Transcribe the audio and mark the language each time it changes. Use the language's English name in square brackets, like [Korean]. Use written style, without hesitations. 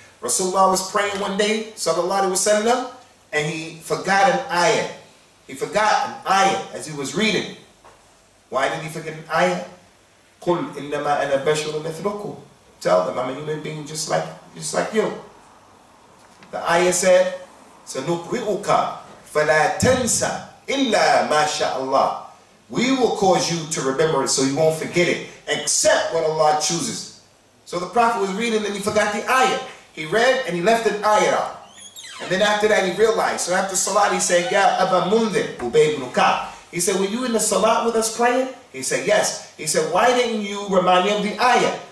[English] Rasulullah was praying one day, sallallahu alayhi wa sallam, and he forgot an ayah. He forgot an ayah as he was reading. Why did he forget an ayah? [Arabic] قُلْ إِنَّمَا أَنَا بَشَرٌ مِثْلُكُمْ. [English] Tell them, I'm a human being just like you. The ayah said, [Arabic] سَنُقْرِئُكَ فَلَا تَنْسَ إِلَّا مَا شَاءَ اللَّهُ. [English] We will cause you to remember it so you won't forget it, except what Allah chooses. So the Prophet was reading and he forgot the ayah. He read and he left an ayah out. And then after that he realized. So after salat he said, Ya Aba Mundhir, Ubay ibn Ka'b. He said, were you in the salat with us praying? He said, yes. He said, why didn't you remind me of the ayah?